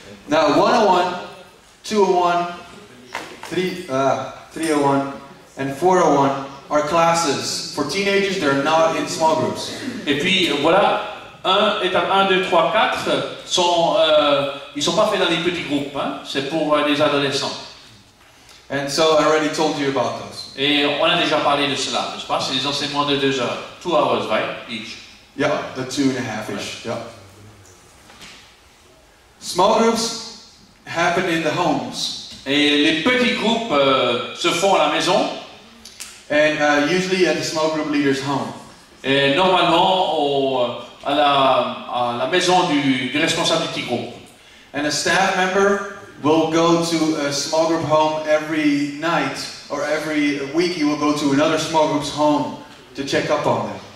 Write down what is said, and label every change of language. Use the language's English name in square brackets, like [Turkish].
[English] Now 101, 201, 301 and 401 are classes for teenagers. They're not in small groups. [French] Et puis voilà, 1 étape 1, 2, 3, 4 sont ils sont pas faits dans des petits groupes. Hein? C'est pour les adolescents. [English] And so I already told you about those. [French] Et on a déjà parlé de cela, n'est-ce pas? C'est des enseignements de 2 heures, [English] 2 hours, right? Each. Yeah, the 2.5 ish. Right. Yeah. Small groups happen in the homes. [French] Et les petits groupes se font à la maison. [English] And usually at the small group leader's home. [French] Et normalement à la maison du responsable du petit groupe. [English] And a staff member will go to a small group home every night or every week. He will go to another small group's home to check up on them.